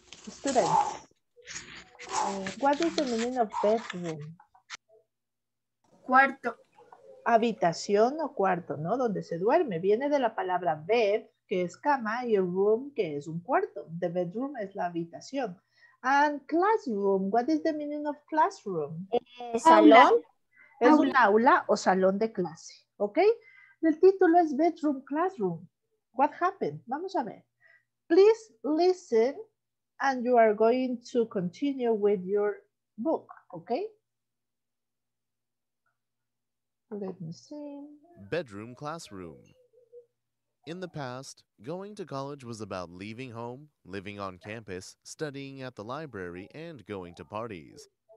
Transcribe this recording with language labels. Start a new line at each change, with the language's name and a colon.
English: Students. What is the meaning of bedroom?
Spanish: Cuarto. Habitación o cuarto, ¿no? Donde se duerme. Viene de la palabra bed, que es cama, y room, que es un cuarto. The bedroom es la habitación.
English: And classroom, what is the meaning of classroom?
Spanish: Salón. Es un aula o salón de clase, ¿ok? El título es bedroom, classroom.
English: What happened?
Spanish: Vamos a ver.
English: Please listen and you are going to continue with your book, ¿ok? Let me see. Bedroom, classroom. In the past, going to college was about leaving home, living on campus, studying at the library, and going to parties.